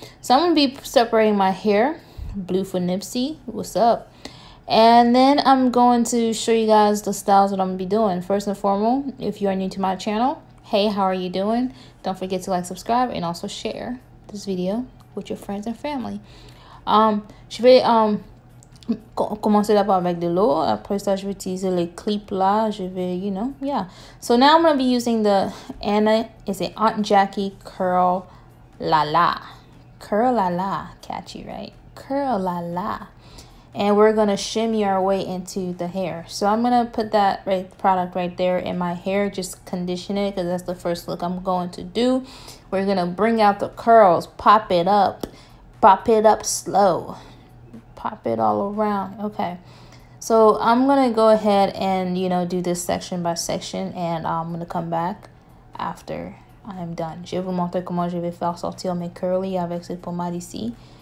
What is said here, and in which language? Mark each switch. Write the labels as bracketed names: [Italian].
[English] So I'm gonna be separating my hair. Blue for Nipsey, what's up? And then I'm going to show you guys the styles that I'm gonna be doing. First and foremost, if you are new to my channel, hey, how are you doing? Don't forget to like, subscribe, and also share this video with your friends and family. [French] Je vais commencer d'abord avec de l'eau. Après ça, je vais utiliser les clips là. Je vais, [English] you know, yeah. So now I'm gonna be using the Aunt Jackie curl, la la, curl la la, catchy, right? Curl la la, and we're gonna shimmy our way into the hair. So I'm gonna put that right product right there in my hair, just condition it because that's the first look I'm going to do. We're gonna bring out the curls, pop it up slow, pop it all around. Okay, so I'm gonna go ahead and, you know, do this section by section, and I'm gonna come back after I'm done. [French] Je vous montre comment je vais faire sortir mes curly avec cette pommade ici.